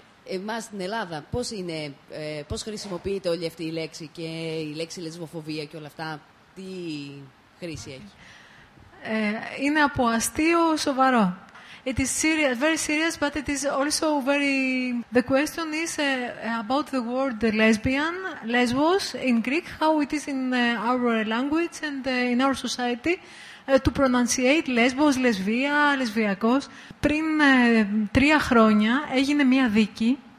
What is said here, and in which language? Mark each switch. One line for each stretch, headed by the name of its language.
Greek: Εμάς στην Ελλάδα πώς είναι, πώς χρησιμοποιείται όλη αυτή η λέξη και η λέξη λεσβοφοβία και όλα αυτά, τι χρήση έχει? Είναι από αστείο σοβαρό.
English: It is serious, very serious, but it is also very... The question is about the word lesbian, lesbos in Greek, how it is in our language and in our society to pronunciate lesbos, lesbia, lesbiakos.
Greek: Πριν τρία χρόνια έγινε μία δίκη.